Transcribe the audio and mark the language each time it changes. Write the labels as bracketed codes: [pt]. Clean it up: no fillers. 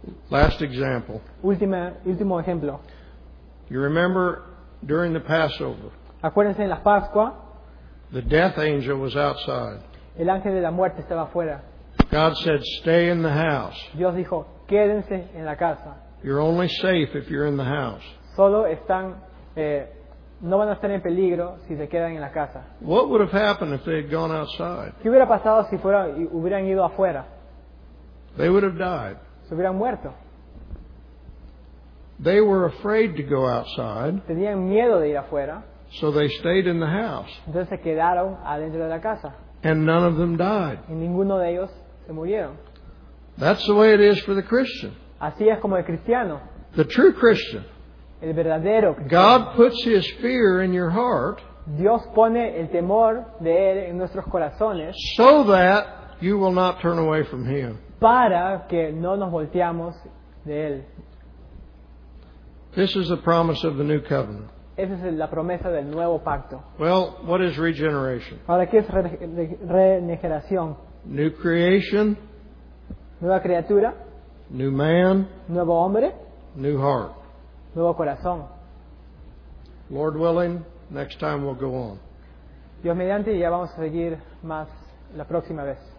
[en] Last example. [es] Último ejemplo. [en] You remember during the Passover. [es] Acuérdense en la Pascua. [en] The death angel was outside. [es] El ángel de la muerte estaba afuera. [en] God said, "Stay in the house." [es] Dios dijo, quédense en la casa. [en] You're only safe if you're in the house. [es] Solo están, no van a estar en peligro si se quedan en la casa. [en] What would have happened if they had gone outside? [es] ¿Qué hubiera pasado si fuera, hubieran ido afuera? [en] They would have died. [es] Se hubieran muerto. [en] They were afraid to go outside. [es] Tenían miedo de ir afuera. [en] So they stayed in the house. [es] Entonces se quedaron adentro de la casa. [en] And none of them died. [es] Y ninguno de ellos se murieron. [en] That's the way it is for the Christian. [es] Así es como el cristiano. [en] The true Christian. [es] El verdadero cristiano. [en] God puts His fear in your heart. [es] Dios pone el temor de Él en nuestros corazones. [en] So that you will not turn away from Him. [es] Para que no nos volteamos de Él. [en] This is the promise of the new covenant. [es] Esa es la promesa del nuevo pacto. [en] Well, what is regeneration? [es] Ahora, ¿qué es regeneración? [en] New creation. [es] Nueva criatura. [en] New man. [es] Nuevo hombre. [en] New heart. [es] Nuevo corazón. [en] Lord willing, next time we'll go on. [es] Dios mediante, ya vamos a seguir más la próxima vez.